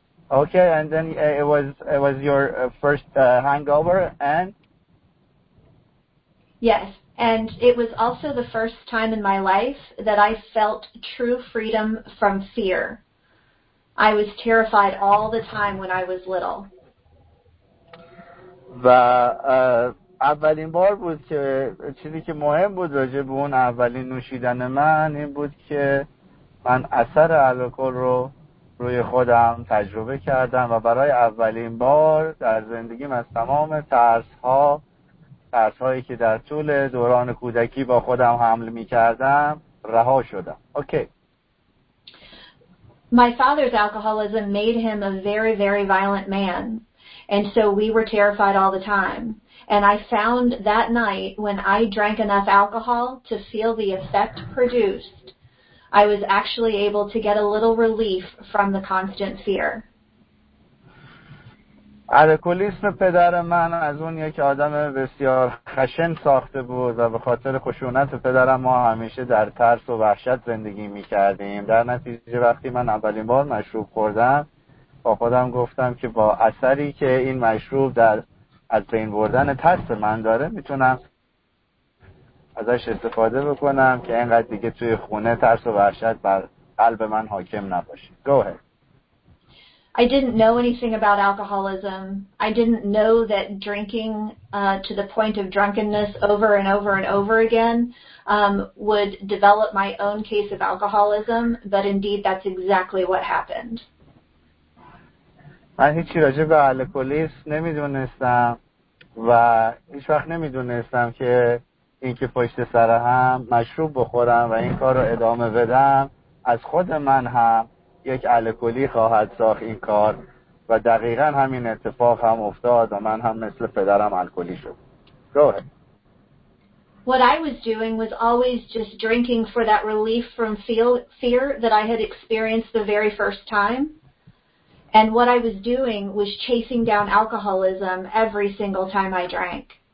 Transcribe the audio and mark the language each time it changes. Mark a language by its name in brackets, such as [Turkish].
[English] Okay, and then it was your first hangover and yes, and it was also the first time in my life that I felt true freedom from fear. I was terrified all the time when I was little. [Persian] و اولین بار بود که چیزی که مهم بود راجع به اون اولین نوشیدن من این بود که من اثر الکل رو روی خودم تجربه کردم و برای اولین بار در زندگیم از تمام ترس‌هایی که در طول دوران کودکی با خودم حمل می‌کردم رها شدم. [English] Okay. My father's alcoholism made him a very, very violent man, and so we were terrified all the time. And I found that night when I drank enough alcohol to feel the effect produced, I was actually able to get a little relief from the constant fear. [Persian] الکلیسم پدر من از اون یک آدم بسیار خشن ساخته بود و به خاطر خشونت پدرم ما همیشه در ترس و وحشت زندگی می کردیم. در نتیجه وقتی من اولین بار مشروب خوردم با خودم گفتم که با اثری که این مشروب در از بین بردن ترس من داره می تونم ازش استفاده بکنم که اینقدر دیگه توی خونه ترس و وحشت بر قلب من حاکم نباشه. [English] Go ahead. I didn't know anything about alcoholism. I didn't know that drinking to the point of drunkenness over and over and over again would develop my own case of alcoholism, but indeed that's exactly what happened. [Persian] من هیچی راجع به الکلیسم نمیدونستم و هیچ وقت نمیدونستم که اینکه پشت سر هم مشروب بخورم و این کار رو ادامه بدم از خود من هم یک الکلی خواهد ساخت این کار و دقیقا همین اتفاق هم افتاد و من هم مثل پدرم الکلی شد. [English] Go ahead. What I was doing was always just drinking for that relief from fear that I had experienced the very first time. And what I was doing was chasing down alcoholism every single time I drank.